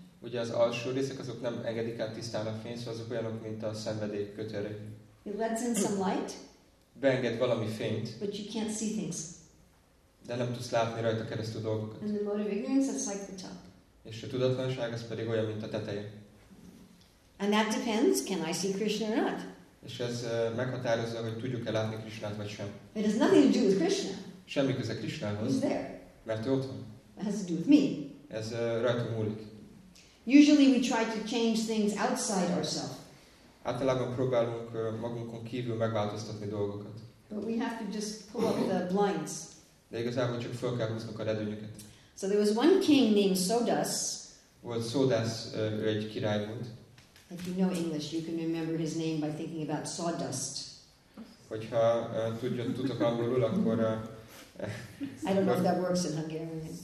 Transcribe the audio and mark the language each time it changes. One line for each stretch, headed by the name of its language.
Hungarian: Ugye az alsó részek, azok nem engedik át tisztán a fény, szóval azok olyanok, mint a szenvedély kötőre.
English: It lets in some light.
Hungarian: Beenged valami fényt.
English: But you can't see things.
Hungarian: De nem tudsz látni rajta keresztül dolgokat.
English: And the mode of ignorance, that's like the top.
Hungarian: És a tudatlanság, az pedig olyan, mint a teteje.
English: And that depends, can I see Krishna or not?
Hungarian: És ez meghatározza, hogy tudjuk-e látni Krishnát vagy sem.
English: It has nothing to do with Krishna.
Hungarian: Semmi köze Krisnához. Mert ő ott van.
English: That has to do with me.
Hungarian: Ez rajta múlik.
English: Usually we try to change things outside ourselves.
Hungarian: Általában próbálunk magunkon kívül megváltoztatni dolgokat.
English: But we have to just pull up the blinds.
Hungarian: De igazából csak föl kell húznunk a redőnyöket.
English: So there was one king named Sodas.
Hungarian: Volt Sodas, ő egy király volt.
English: If you know English, you can remember his name by thinking about sawdust.
Hungarian: Hogyha tudok angolul, akkor
English: I don't know if that works in Hungarian.